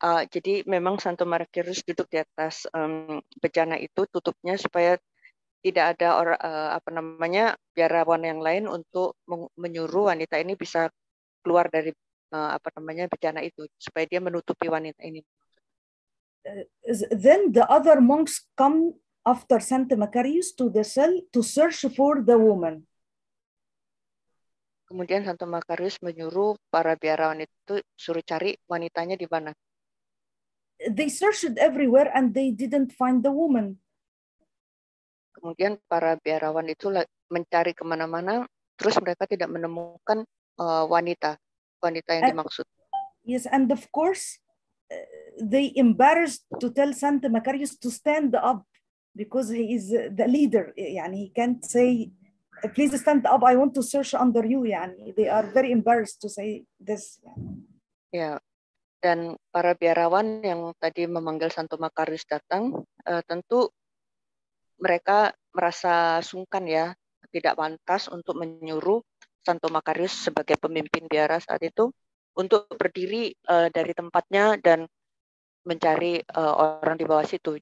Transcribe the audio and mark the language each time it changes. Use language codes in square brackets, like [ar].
[id] Jadi memang Santo Makarius duduk di atas bejana itu tutupnya supaya tidak ada orang biarawan yang lain untuk menyuruh wanita ini bisa keluar dari bejana itu supaya dia menutupi wanita ini. [en] Then the other monks come after Santo Makarius to the cell to search for the woman. [id] Kemudian Santo Makarius menyuruh para biarawan itu suruh cari wanitanya di mana. [en] They searched everywhere and they didn't find the woman. [id] Kemudian para biarawan itu mencari kemana-mana, terus mereka tidak menemukan wanita yang dimaksud. [en] Yes, and of course, they embarrassed to tell Santo Makarius to stand up because he is the leader. Yani, he can't say, please stand up, I want to search under you. Yani, they are very embarrassed to say this. [id] Dan para biarawan yang tadi memanggil Santo Makarius datang, tentu mereka merasa sungkan ya, tidak pantas untuk menyuruh Santo Makarius sebagai pemimpin biara saat itu untuk berdiri dari tempatnya dan mencari orang di bawah situ.